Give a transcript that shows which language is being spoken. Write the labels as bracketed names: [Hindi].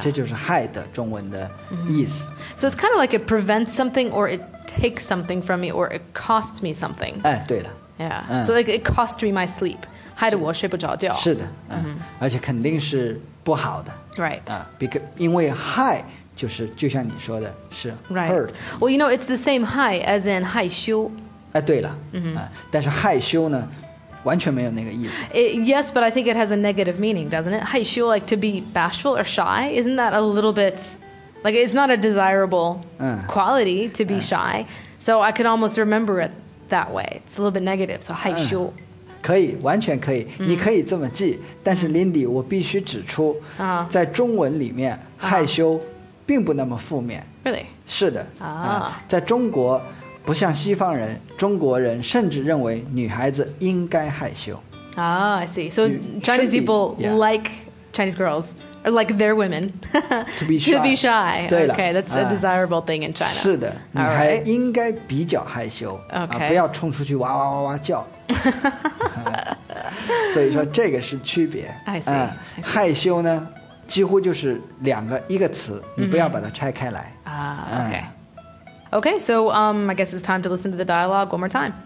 [Chinese] 这就是害的中文的意思。 [English] So it's kind of like it prevents something or it takes something from me or it costs me something. [Chinese] 对了。 [English] Yeah.、So like it cost me my sleep. [Chinese] 害得我睡不着觉。是的、而且肯定是不好的。 [English] Right.、 [Chinese] 因为害就是就像你说的是 hurt. [English] Right. Well, you know, it's the same 害 as in 害羞。 [Chinese] 对了、但是害羞呢完全没有那个意思 [English] it, Yes, but I think it has a negative meaning, doesn't it? 害羞, like to be bashful or shy Isn't that a little bit Like it's not a desirable quality to be shy So I could almost remember it that way It's a little bit negative, so 害羞 [Chinese] 可以,完全可以你可以这么记但是 Lindy, 我必须指出在中文里面害羞并不那么负面 [English] Really? [Chinese] 是的、在中国不像西方人，中国人甚至认为女孩子应该害羞。 [English] Ah, I see. So Chinese people like Chinese girls, or like their women, to be shy. Okay, that's a desirable thing in China. [Chinese] 是的，女孩应该比较害羞，不要冲出去哇哇哇哇叫。所以说这个是区别。 [English] I see. [Chinese] 害羞呢，几乎就是两个一个词，你不要把它拆开来。 [English] Okay, so I guess it's time to listen to the dialogue one more time.